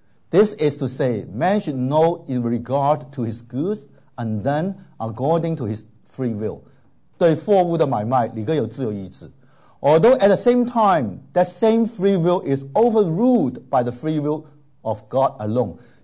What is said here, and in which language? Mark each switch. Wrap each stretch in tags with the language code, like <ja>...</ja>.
<en>This is to say, man should know in regard to his goods and then according to his free will.</en> <zh>对货物的买卖，你各有自由意志。</zh> <en>Although at the same time, that same free will is overruled by the free will of God alone.</en>